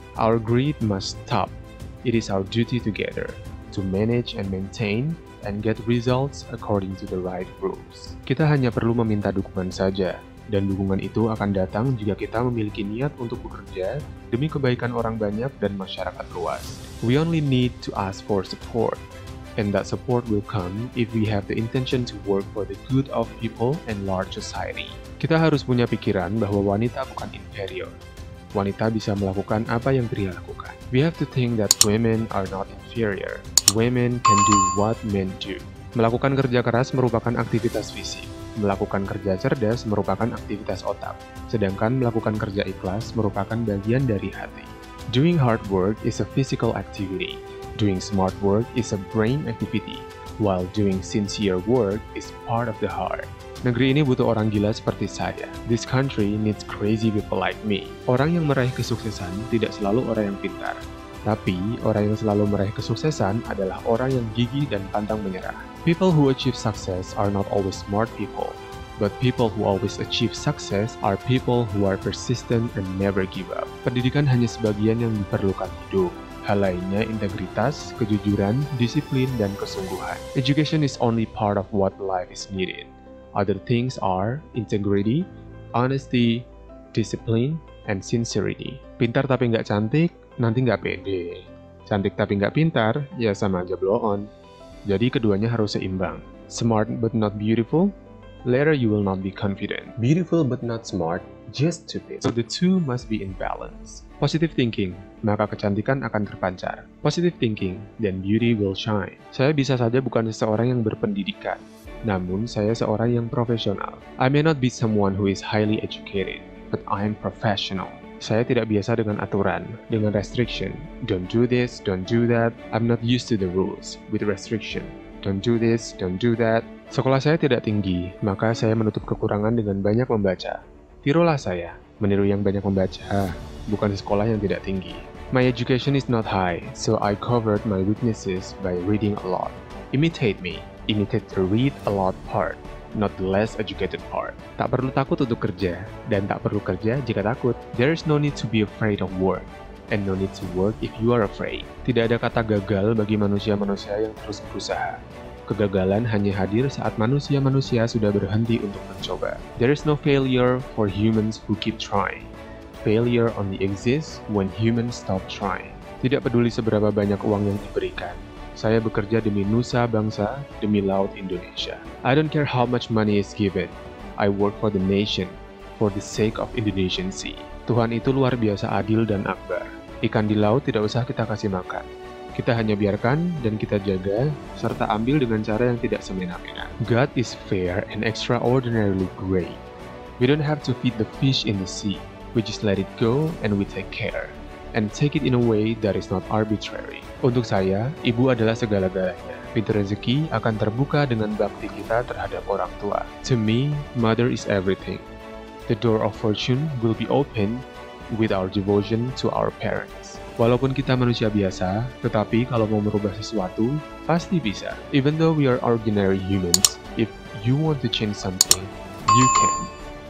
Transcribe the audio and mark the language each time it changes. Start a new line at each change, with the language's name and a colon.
English: Our greed must stop. It is our duty together to manage and maintain and get results according to the right rules.
Indonesian: Kita hanya perlu meminta dukungan saja, dan dukungan itu akan datang jika kita memiliki niat untuk bekerja demi kebaikan orang banyak dan masyarakat luas.
English: We only need to ask for support, and that support will come if we have the intention to work for the good of people and large society.
Indonesian: Kita harus punya pikiran bahwa wanita bukan inferior. Wanita bisa melakukan apa yang pria lakukan.
English: We have to think that women are not inferior. Women can do what men do.
Indonesian: Melakukan kerja keras merupakan aktivitas fisik. Melakukan kerja cerdas merupakan aktivitas otak. Sedangkan melakukan kerja ikhlas merupakan bagian dari hati.
English: Doing hard work is a physical activity. Doing smart work is a brain activity. While doing sincere work is part of the heart.
Indonesian: Negeri ini butuh orang gila seperti saya.
English: This country needs crazy people like me.
Indonesian: Orang yang meraih kesuksesan tidak selalu orang yang pintar. Tapi, orang yang selalu meraih kesuksesan adalah orang yang gigih dan pantang menyerah.
English: People who achieve success are not always smart people. But people who always achieve success are people who are persistent and never give up.
Indonesian: Pendidikan hanya sebagian yang diperlukan hidup. Hal lainnya integritas, kejujuran, disiplin, dan kesungguhan.
English: Education is only part of what life is needed. Other things are integrity, honesty, discipline, and sincerity.
Indonesian: Pintar tapi nggak cantik, nanti nggak pede. Cantik tapi nggak pintar, ya sama aja blow on. Jadi keduanya harus seimbang.
English: Smart but not beautiful, later you will not be confident. Beautiful but not smart, just stupid. So the two must be in balance. Positive thinking,
Indonesian: maka kecantikan akan terpancar.
English: Positive thinking, then beauty will shine.
Indonesian: Saya bisa saja bukan seseorang yang berpendidikan, namun saya seorang yang profesional.
English: I may not be someone who is highly educated, but I am professional.
Indonesian: Saya tidak biasa dengan aturan, dengan restriction.
English: Don't do this, don't do that. I'm not used to the rules with restriction. Don't do this, don't do that.
Indonesian: Sekolah saya tidak tinggi, maka saya menutup kekurangan dengan banyak membaca. Tirulah saya, meniru yang banyak membaca, bukan sekolah yang tidak tinggi.
English: My education is not high, so I covered my weaknesses by reading a lot. Imitate me, imitate the read a lot part, not the less educated part.
Indonesian: Tak perlu takut untuk kerja, dan tak perlu kerja jika takut.
English: There is no need to be afraid of work, and no need to work if you are afraid.
Indonesian: Tidak ada kata gagal bagi manusia-manusia yang terus berusaha. Kegagalan hanya hadir saat manusia-manusia sudah berhenti untuk mencoba.
English: There is no failure for humans who keep trying. Failure only exists when humans stop trying.
Indonesian: Tidak peduli seberapa banyak uang yang diberikan, saya bekerja demi Nusa Bangsa, demi Laut Indonesia.
English: I don't care how much money is given. I work for the nation, for the sake of Indonesian Sea.
Indonesian: Tuhan itu luar biasa adil dan akbar. Ikan di laut tidak usah kita kasih makan. Kita hanya biarkan dan kita jaga, serta ambil dengan cara yang tidak semena-mena.
English: God is fair and extraordinarily great. We don't have to feed the fish in the sea. We just let it go and we take care. And take it in a way that is not arbitrary.
Indonesian: Untuk saya, ibu adalah segala-galanya. Pintu rezeki akan terbuka dengan bakti kita terhadap orang tua.
English: To me, mother is everything. The door of fortune will be open with our devotion to our parents.
Indonesian: Walaupun kita manusia biasa, tetapi kalau mau merubah sesuatu, pasti bisa.
English: Even though we are ordinary humans, if you want to change something, you can.